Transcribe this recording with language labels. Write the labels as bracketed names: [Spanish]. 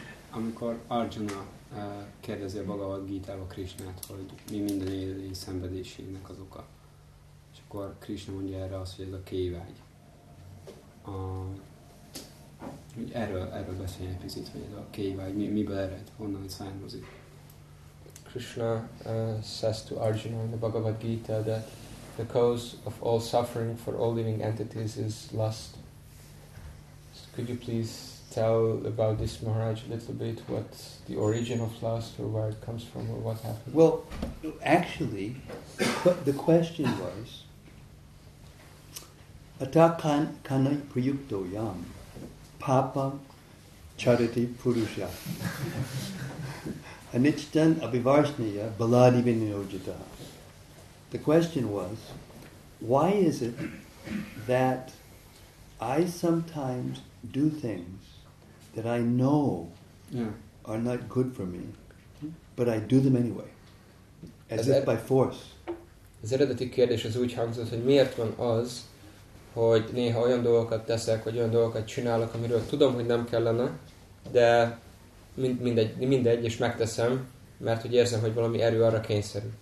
[Hungarian] Amikor Arjuna kérdezi a Bhagavad Gita-ba Krishnát, hogy mi minden élet szenvedésének az oka, és akkor Krishna mondja erre azt, hogy ez a kévágy. Erről beszélj egy picit, hogy ez a kévágy, miből ered, honnan származik. [English] Krishna says to Arjuna in the Bhagavad Gita that the cause of all suffering for all living entities is lust. Could you please tell about this, Maharaj, a little bit, what's the origin of lust, or where it comes from, or what happened? Well, actually, the question was, [Sanskrit] Atakan kanai priyukto yam, papam charati purusha, anichtan abhivarshniya baladi vinyojita. [English] The question was, why is it that I sometimes do things that I know are not good for me, but I do them anyway, as if by force. [Hungarian] Az eredeti kérdés az úgy hangzott, hogy miért van az, hogy néha olyan dolgokat teszek, vagy olyan dolgokat csinálok, amiről tudom, hogy nem kellene, de mindegy, és megteszem, mert hogy érzem, hogy valami erő arra kényszerült.